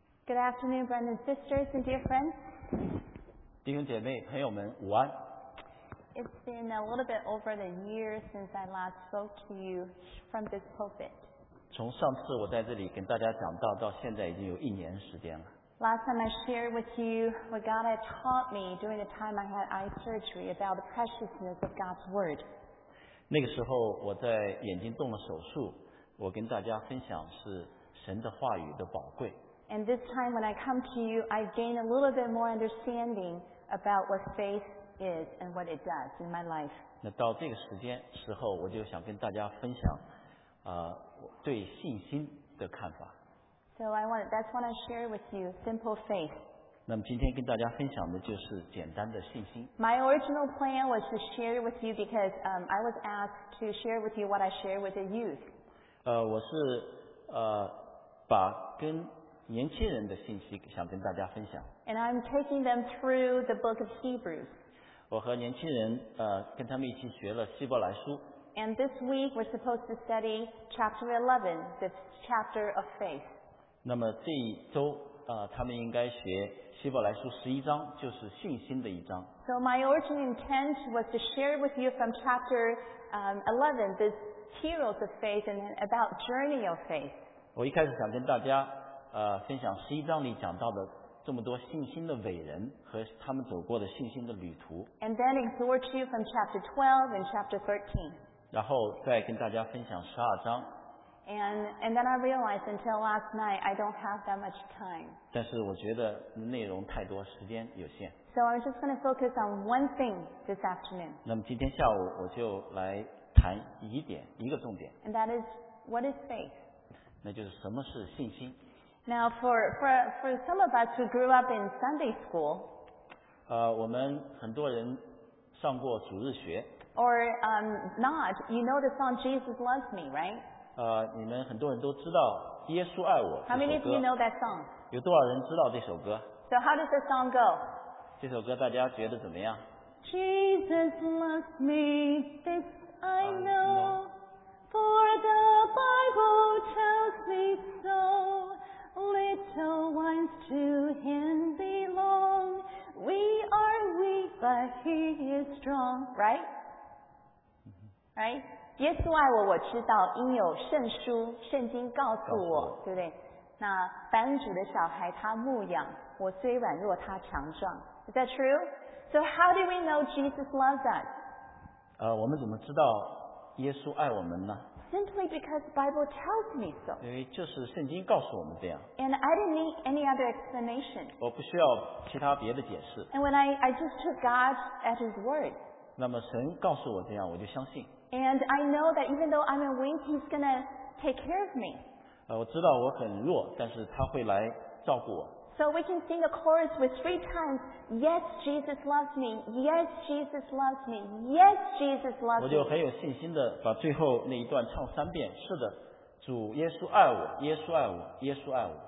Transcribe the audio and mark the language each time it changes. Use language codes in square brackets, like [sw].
[en] Good afternoon, brothers and sisters and dear friends. [zh] 弟兄姐妹朋友们午安。 [en] It's been a little bit over a year since I last spoke to you from this pulpit. [zh] 从上次我在这里跟大家讲到到现在已经有一年时间了。 [en] Last time I shared with you what God had taught me during the time I had eye surgery about the preciousness of God's word. [zh] 那个时候我在眼睛动了手术，我跟大家分享是神的话语的宝贵。 [en] And this time when I come to you, I gain a little bit more understanding about what faith is and what it does in my life. [zh] 那到这个时间时候，我就想跟大家分享，对信心的看法。 [en] So I want, that's what I share with you, simple faith. [zh] 那么今天跟大家分享的就是简单的信心。 [en] My original plan was to share with you because I was asked to share with you what I share with the youth. [zh] 我是把跟年轻人的信息想跟大家分享。 [en] And I'm taking them through the book of Hebrews. [zh] 我和年轻人跟他们一起学了希伯来书。 [en] And this week we're supposed to study chapter 11, the chapter of faith. [zh] 那么这一周他们应该学希伯来书11章，就是信心的一章。 [en] So my original intent was to share with you from chapter 11, the heroes of faith and about journey of faith. [zh] 我一开始想跟大家分享十一章里讲到的这么多信心的伟人和他们走过的信心的旅途。 [en] And then exhort you from chapter 12 and chapter 13. [zh] 然后再跟大家分享十二章。 [en] And then I realized until last night I don't have that much time. [zh] 但是我觉得内容太多，时间有限。 [en] So I'm just going to focus on one thing this afternoon. [zh] 那么今天下午我就来谈一点，一个重点。 [en] And that is, what is faith? [zh] 那就是什么是信心。 [en] Now, for some of us who grew up in Sunday school, [zh] 我们很多人上过主日学 [en] or not, you know the song Jesus Loves Me, right? [zh] 你们很多人都知道耶稣爱我。 [en] How many of you know that song? [zh] 有多少人知道这首歌？ [en] So how does the song go? [zh] 这首歌大家觉得怎么样？ [en] Jesus loves me, this I know, for the Bible tells me so. Little ones to him belong. We are weak, but he is strong. Right? Right? [zh] 耶稣爱我，我知道，因有圣书，圣经告诉我，对不对？那凡主的小孩他牧养，我虽软弱，他强壮。 [en] Is that true? So how do we know Jesus loves us? [zh] 我们怎么知道耶稣爱我们呢？ [en] Simply because the Bible tells me so. [zh] 因为就是圣经告诉我们这样。 [en] And I didn't need any other explanation. [zh] 我不需要其他别的解释。 [en] And when I just took God at His word. [zh] 那么神告诉我这样，我就相信。 [en] And I know that even though I'm a weak, He's gonna take care of me. [zh] 我知道我很弱，但是他会来照顾我。 [en] So we can sing a chorus with three times. Yes, Jesus loves me. Yes, Jesus loves me. Yes, Jesus loves me. [zh] 我就很有信心的把最后那一段唱三遍。是的，主耶稣爱我，耶稣爱我，耶稣爱我。